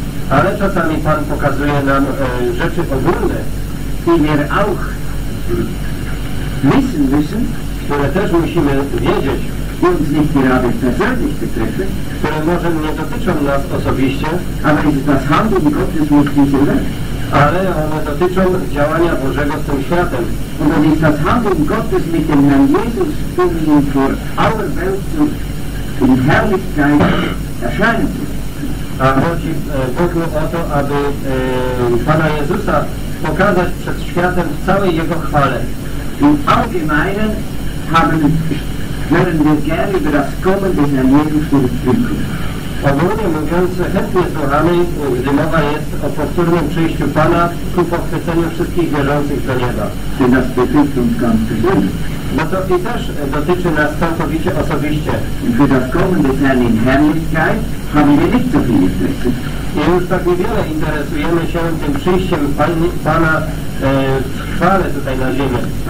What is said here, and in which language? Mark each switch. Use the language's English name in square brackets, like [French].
[Polish] Ale czasami Pan pokazuje nam rzeczy ogólne. [German] Die wir auch wissen müssen, [Polish] które też musimy wiedzieć, [German] uns nicht gerade persönlich betreffen, [Polish] które może nie dotyczą nas osobiście, [German] aber ist das Handeln Gottes mit dieser Welt. [Polish] Ale one dotyczą działania Bożego z tym światem. [German] Und dann ist das Handeln Gottes mit dem Herrn Jesus, um ihn vor aller Welt zu in Herrlichkeit erscheinen zu. [Polish] A chodzi Bogu o to, aby Pana Jezusa pokazać przed światem w całej Jego chwale. [German] Im Allgemeinen haben wir gerne über das Kommen des Herrn Jesus zu sprechen. [Polish] Ogólnie mówiąc, chętnie słuchamy, gdy mowa jest o powtórnym przyjściu Pana ku pochwyceniu wszystkich wierzących do Nieba. Czy nas dotyczy [German] uns ganz persönlich? [Polish] Bo to i też dotyczy nas całkowicie osobiście. [German] Für das Kommen des Herrn in Herrlichkeit haben wir nicht so viel Interesse. [Polish] I już tak niewiele interesujemy się tym przyjściem Pana w chwale tutaj na ziemię.